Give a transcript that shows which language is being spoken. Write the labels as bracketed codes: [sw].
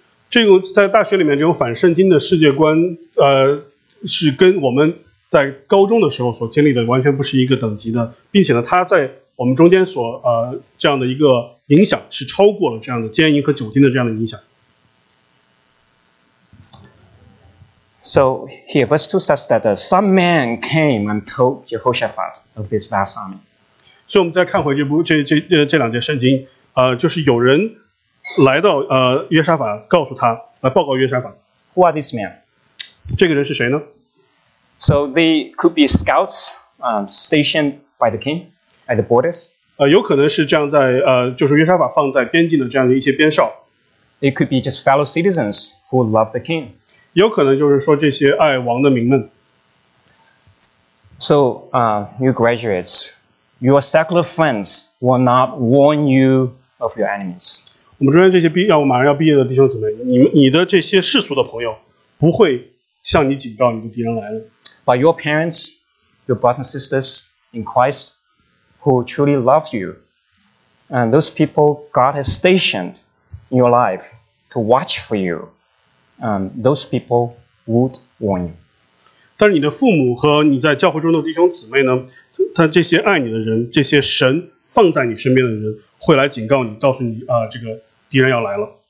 [zh] 这个在大学里面这种反圣经的世界观，是跟我们在高中的时候所经历的完全不是一个等级的，并且呢，它在我们中间所这样的一个影响是超过了这样的奸淫和酒精的这样的影响。 [en] So here, verse 2 says that some man came and told Jehoshaphat of this vast army. [zh] 所以我们再看回这两节圣经，就是有人来到约沙法，告诉他来报告约沙法。 [en] Who are these men? [zh] 这个人是谁呢？ [en] So they could be scouts, stationed by the king at the borders. [zh] 有可能是这样在就是约沙法放在边境的这样的一些边哨。 [en] It could be just fellow citizens who love the king. [zh] 有可能就是说这些爱王的民们。 [en] So, new graduates, your secular friends will not warn you of your enemies. [zh] 我们中间这些马上要毕业的弟兄姊妹，你的这些世俗的朋友不会向你警告你的敌人来的。 [en] But your parents, your brothers and sisters in Christ who truly love you, and those people God has stationed in your life to watch for you,those people would warn you. [zh] 但是你的父母和你在教会中的弟兄姊妹呢，他这些爱你的人，这些神放在你身边的人会来警告你，告诉你这个敌人要来了。